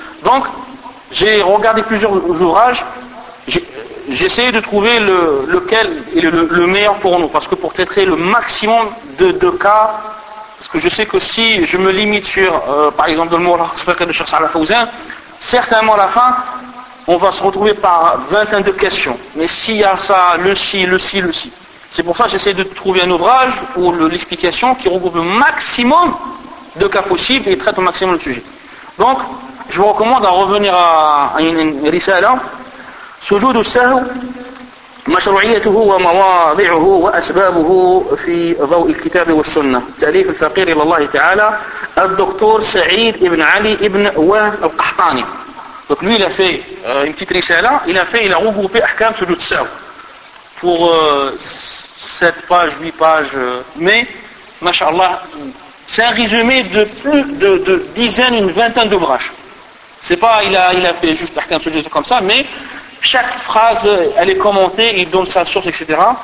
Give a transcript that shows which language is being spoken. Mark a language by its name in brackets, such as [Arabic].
[French] Donc, j'ai regardé plusieurs ouvrages, j'ai essayé de trouver lequel est le meilleur pour nous, parce que pour traiter le maximum de cas, parce que je sais que si je me limite sur, par exemple, le mot de Cheikh Salah Fawzan, certainement à la fin, on va se retrouver par vingtaine de questions. Mais s'il y a ça, le si. C'est pour ça que j'essaie de trouver un ouvrage ou l'explication qui regroupe le maximum de cas possibles et traite au maximum le sujet. Donc, je vous recommande à revenir à une risala. [Arabic] Sujud al-Sahw, مشروعيته ومواضعه وأسبابه في ضوء الكتاب والسنة تأليف الفقير إلى الله تعالى الدكتور سعيد ابن علي ابن وهب القحطاني. [French] Donc lui il a fait une petite risala, il a regroupé Ahkam Sujud Sahw pour 7 pages, 8 pages, mais mashallah, c'est un résumé de plus de dizaines, une vingtaine d'ouvrages. C'est pas il a fait juste Ahkam Sujud comme ça, mais chaque phrase, elle est commentée, il donne sa source, etc.